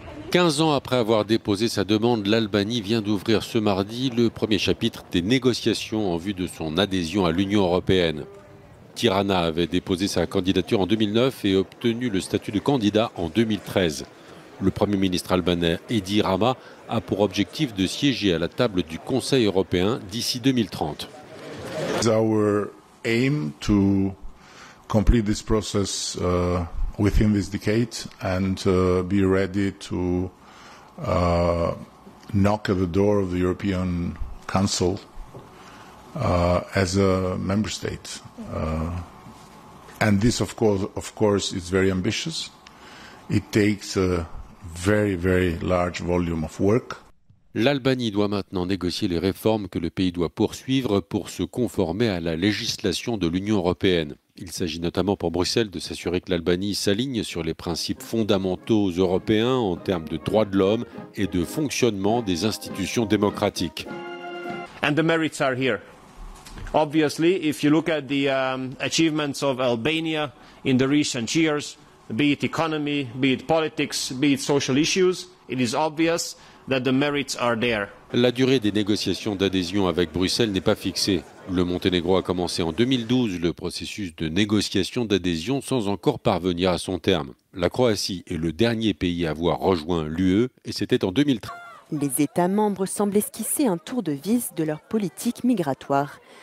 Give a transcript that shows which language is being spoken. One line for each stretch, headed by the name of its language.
French: 15 ans après avoir déposé sa demande, l'Albanie vient d'ouvrir ce mardi le premier chapitre des négociations en vue de son adhésion à l'Union européenne. Tirana avait déposé sa candidature en 2009 et obtenu le statut de candidat en 2013. Le premier ministre albanais Edi Rama a pour objectif de siéger à la table du Conseil européen d'ici 2030.
English: Our aim to complete this process within this decade and be ready to knock at the door of the European Council as a member state. And this of course is very ambitious. It takes a very very large volume of work.
French: L'Albanie doit maintenant négocier les réformes que le pays doit poursuivre pour se conformer à la législation de l'Union européenne. Il s'agit notamment pour Bruxelles de s'assurer que l'Albanie s'aligne sur les principes fondamentaux européens en termes de droits de l'homme et de fonctionnement des institutions démocratiques.
English: And the merits are here. Obviously, if you look at the achievements of Albania in the recent years, be it economy, be it politics, be it social issues, it is obvious that the merits are there.
French: La durée des négociations d'adhésion avec Bruxelles n'est pas fixée. Le Monténégro a commencé en 2012 le processus de négociation d'adhésion sans encore parvenir à son terme. La Croatie est le dernier pays à avoir rejoint l'UE et c'était en 2013. Les États membres semblent esquisser un tour de vis de leur politique migratoire.